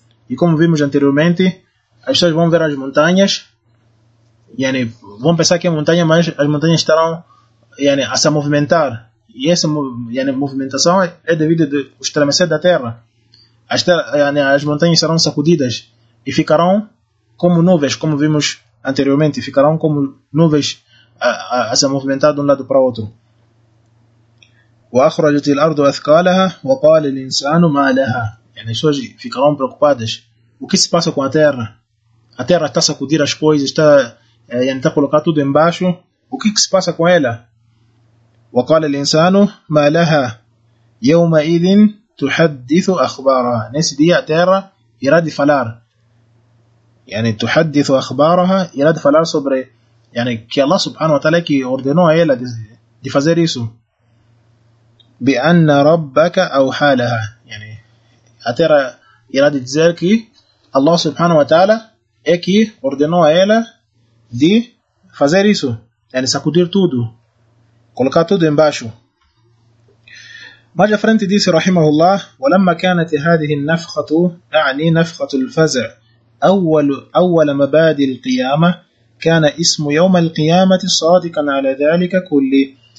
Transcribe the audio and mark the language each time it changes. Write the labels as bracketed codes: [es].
[pt] E como vimos anteriormente, as pessoas vão ver as montanhas, vão pensar que é montanha, mas as montanhas estarão a se movimentar. E essa movimentação é devido ao estremecer da terra. As montanhas serão sacudidas e ficarão como nuvens, como vimos anteriormente, ficarão como nuvens a se movimentar de um lado para o outro. [ar] وأخرجت الأرض أثقالها وقال الإنسان ما لها. [pt] As pessoas ficarão preocupadas. O que se passa com a terra? A terra está a sacudir as coisas, está a colocar tudo embaixo. O que se passa com ela? [ar] وقال الإنسان ما لها يومئذ تحدث أخبارها. [pt] Nesse dia a terra irá de falar. [ar] تحدث أخبارها, [pt] irá de falar sobre que Allah subhanahu wa ta'ala que ordenou a ela de fazer isso. [ar] بأن ربك أوحى لها. [pt] A terra irá de dizer que Allah subhanahu wa ta'ala é que ordenou a ela de fazer isso, sacudir tudo, colocar tudo embaixo. Mais à frente disse rahimahullah: [ar] ولما كانت هذه النفخة نفخة الفزع أول مبادئ القيامة كان اسم يوم القيامة صادقا على ذلك كله